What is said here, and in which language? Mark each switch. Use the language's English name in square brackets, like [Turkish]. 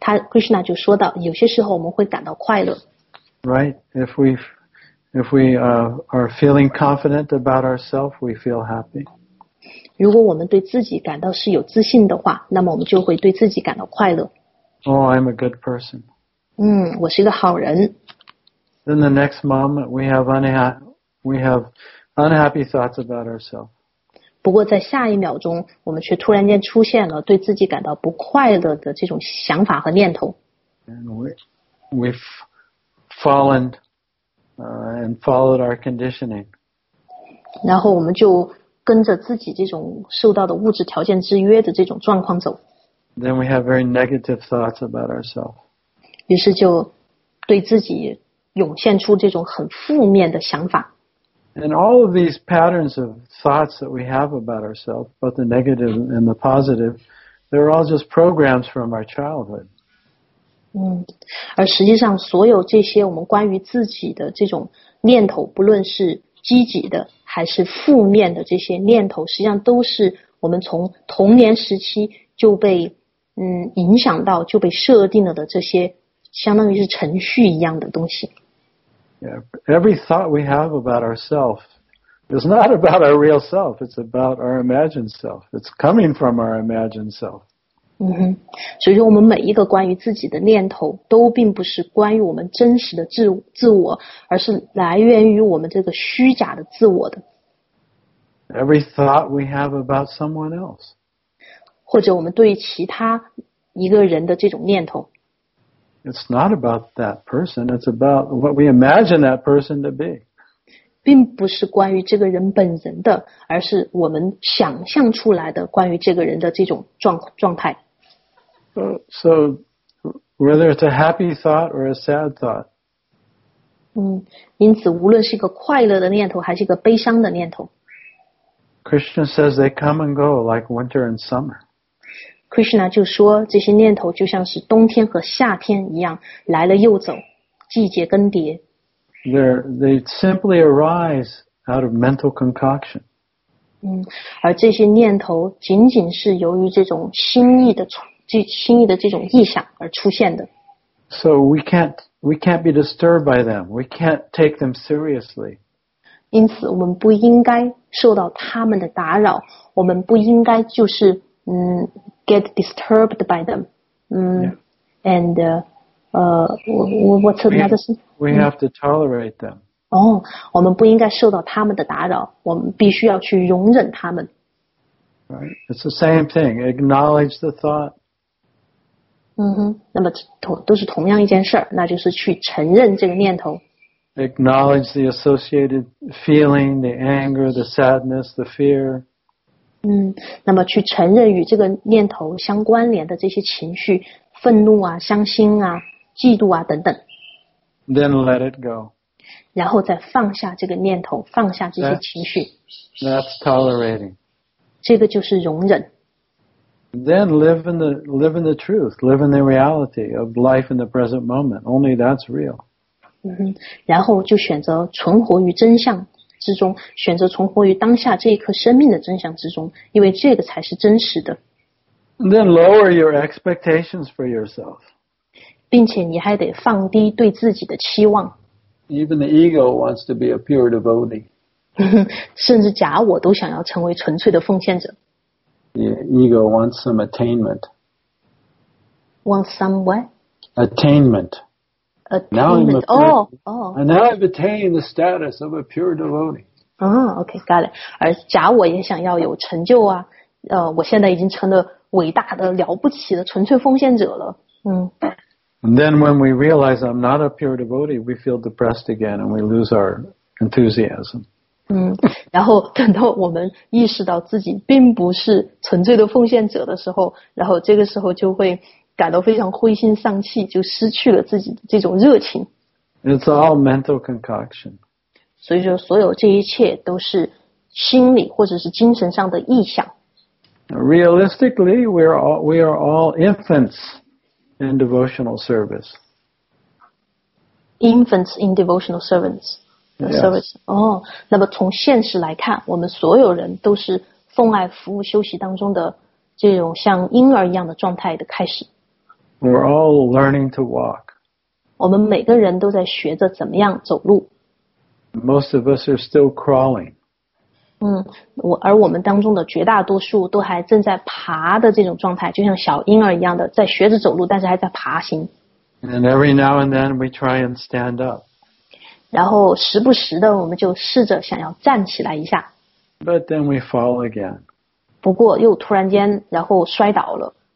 [Chinese] Krishna 就说到有些时候我们会感到快乐。 [English] Right, if we are feeling confident about ourselves, we feel happy. [Chinese] 如果我们对自己感到是有自信的话，那么我们就会对自己感到快乐。 [English] Oh, I'm a good person. [Chinese] 我是一个好人。 [English] Then the next moment we have unhappy thoughts about ourselves. [Chinese] 不过在下一秒钟，我们却突然间出现了对自己感到不快乐的这种想法和念头。 [English] And we've fallen and followed our conditioning. [Chinese] 然后我们就跟着自己这种受到的物质条件制约的这种状况走。 [English] Then we have very negative thoughts about ourselves. [Chinese] 于是就对自己涌现出这种很负面的想法。 [English] And all of these patterns of thoughts that we have about ourselves, both the negative and the positive, they're all just programs from our childhood. [Chinese] 而实际上所有这些我们关于自己的这种念头，不论是积极的还是负面的这些念头，实际上都是我们从童年时期就被影响到，就被设定了的这些相当于是程序一样的东西。 [English] Yeah, every thought we have about ourselves is not about our real self. It's about our imagined self. It's coming from our imagined self. [Chinese] 所以说我们每一个关于自己的念头都并不是关于我们真实的自我，而是来源于我们这个虚假的自我的。 [English] Every thought we have about someone else. [Chinese] 或者我们对其他一个人的这种念头。 [English] It's not about that person. It's about what we imagine that person to be. [Chinese] 并不是关于这个人本人的，而是我们想象出来的关于这个人的这种状态。 [English] So, whether it's a happy thought or a sad thought. [Chinese] 因此无论是一个快乐的念头还是一个悲伤的念头。 [English] Krishna says they come and go like winter and summer. [Chinese] Krishna 就说这些念头就像是冬天和夏天一样，来了又走，季节更迭。 [English] They simply arise out of mental concoction. [Chinese] 而这些念头仅仅是由于这种心意的这种意想而出现的。 [English] So we can't be disturbed by them. We can't take them seriously. [Chinese] 因此我们不应该受到他们的打扰，我们不应该就是 [English] get disturbed by them. What's another thing? We have to tolerate them. [Chinese] 我们不应该受到他们的打扰，我们必须要去容忍他们。 [English] Right. It's the same thing. Acknowledge the thought. [Chinese] 那么都是同样一件事，那就是去承认这个念头。 [English] Acknowledge the associated feeling, the anger, the sadness, the fear. [Chinese] 那么去承认与这个念头相关联的这些情绪，愤怒啊，伤心啊，嫉妒啊，等等。 [English] Then let it go. [Chinese] 然后再放下这个念头，放下这些情绪。 [English] That's tolerating. [Chinese] 这个就是容忍。 [English] Then live in the truth, live in the reality of life in the present moment. Only that's real. [Chinese] 然后就选择存活于真相之中，选择存活于当下这一刻生命的真相之中，因为这个才是真实的。 [English] Then lower your expectations for yourself. [Chinese] 并且你还得放低对自己的期望。 [English] Even the ego wants to be a pure devotee. [Chinese] 甚至假我都想要成为纯粹的奉献者。 [English] Yeah, ego wants some attainment. Wants some what? Attainment. Attainment. And now I've attained the status of a pure devotee. Okay, got it. [Chinese] 而假我也想要有成就啊，我现在已经成了伟大的、了不起的、纯粹奉献者了。 [English] And then when we realize I'm not a pure devotee, we feel depressed again and we lose our enthusiasm. [Chinese] 然后等到我们意识到自己并不是纯粹的奉献者的时候，然后这个时候就会感到非常灰心丧气，就失去了自己的这种热情。 [English] It's all mental concoction. [Chinese] 所以说所有这一切都是心理或者是精神上的臆想。 [English] Realistically, we are all infants in devotional service. Infants in devotional servants. Yes. [Chinese] 那么从现实来看，我们所有人都是奉爱服务修习当中的这种像婴儿一样的状态的开始。 [English] We're all learning to walk. [Chinese] 我们每个人都在学着怎么样走路。 [English] Most of us are still crawling. [Chinese] 而我们当中的绝大多数都还正在爬的这种状态，就像小婴儿一样的在学着走路，但是还在爬行。 [English] And every now and then we try and stand up. [Chinese] 然后时不时的我们就试着想要站起来一下。 [English] But then we fall again. [Chinese] 不过又突然间然后摔倒了。